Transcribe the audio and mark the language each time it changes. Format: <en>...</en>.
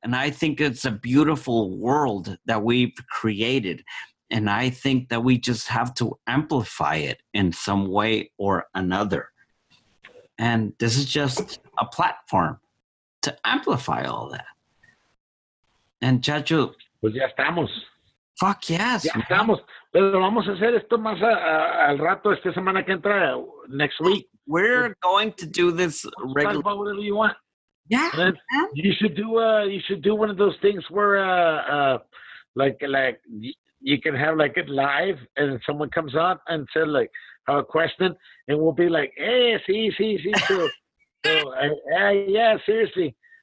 <en>And I think it's a beautiful world that we've created. And I think that we just have to amplify it in some way or another. And this is just a platform to amplify all that. And Chacho,</en> <es>pues ya estamos.</es> <en>Fuck yes.</en> <es>Ya estamos. Pero vamos a hacer esto más al rato, esta semana que entra,</es> <en>next week. We're going to do this regularly. Talk about whatever you want. Yeah. You should do one of those things where like you can have like it live, and someone comes on and says like a question, and we'll be like, hey, sí, so, yeah, seriously.</en>